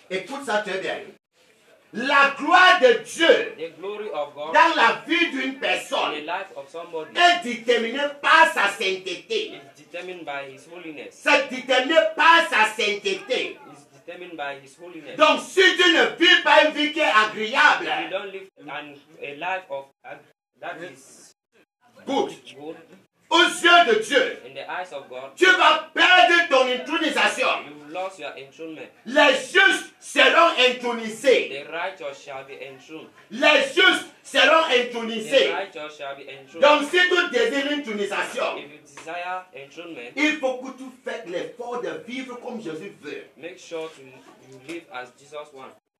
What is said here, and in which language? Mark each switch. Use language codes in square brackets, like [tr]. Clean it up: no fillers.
[fr] Écoute ça très bien. La gloire de Dieu, [en] the glory of God, [fr] dans la vie d'une personne, [en] the life of somebody, [fr] est déterminée par sa sainteté. [en] Is determined by his holiness. [fr] C'est déterminé par sa sainteté. [en] Is determined by his holiness. [fr] Donc si tu ne vis pas une vie qui est agréable, [en] if you don't live a life of that is [fr] good. Aux yeux de Dieu, [en] in the eyes of God, [fr] tu vas perdre ton intronisation. [en] You've lost your enthronement. [fr] Les justes seront intronisés. [en] The righteous shall be enthroned. [fr] Les justes seront intronisés. [en] The righteous shall be enthroned. [fr] Donc si tu désires l'intronisation, [en] if you desire enthronement, [fr] il faut que tu fasses l'effort de vivre comme Jésus veut. [en] Make sure to you live as Jesus wants.